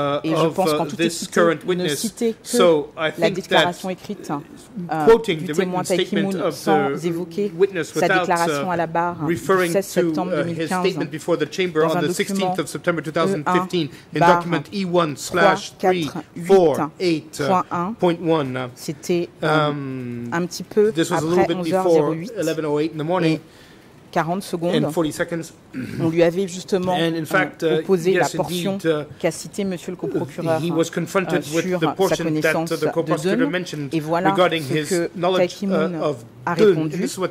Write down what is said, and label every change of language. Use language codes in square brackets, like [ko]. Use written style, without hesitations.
[fr] Et je pense qu'en toute honnêteté, ne citer que la déclaration écrite du témoin Taïkimoun sans évoquer sa déclaration à la barre, [en] his statement before the chamber on the 16th of September 2015 in document E1/3488.1. This was a little bit before 11:08 in the morning. [fr] 40 secondes, [en] and 40 seconds. [fr] On lui avait justement opposé la portion qu'a citée M. le coprocureur sur sa connaissance de Doeun, et voilà ce que Taïkimoun a répondu.